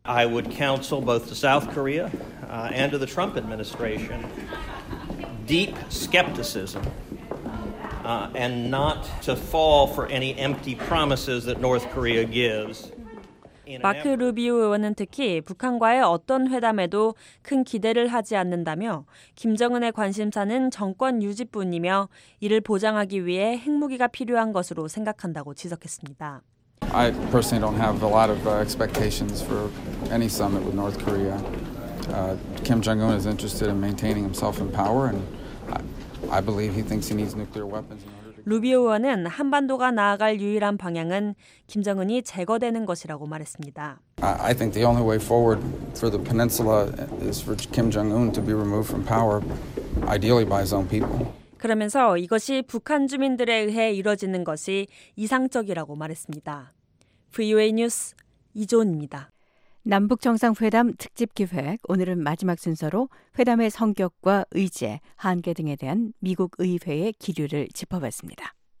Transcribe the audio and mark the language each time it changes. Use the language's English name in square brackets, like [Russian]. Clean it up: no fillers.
[English] I would counsel both the South Korea and the Trump administration deep skepticism. And not to fall for any empty promises that North Korea gives. [Korean] 마크 루비오 의원은 특히 북한과의 어떤 회담에도 큰 기대를 하지 않는다며 김정은의 관심사는 정권 유지뿐이며 이를 보장하기 위해 핵무기가 필요한 것으로 생각한다고 지적했습니다. [English] I personally don't have a lot of expectations for any summit with North Korea. Kim Jong-un is interested in maintaining himself in power and I believe he thinks he needs nuclear weapons in order to. [Korean] 루비오 의원은 한반도가 나아갈 유일한 방향은 김정은이 제거되는 것이라고 말했습니다. [English] I think the only way forward for the peninsula is for Kim Jong-un to be removed from power, ideally by his own people. [Korean] 그러면서 이것이 북한 주민들에 의해 이루어지는 것이 이상적이라고 말했습니다. VOA 뉴스 이조은입니다. 남북정상회담 특집기획, 오늘은 마지막 순서로 회담의 성격과 의제, 한계 등에 대한 미국 의회의 기류를 짚어봤습니다.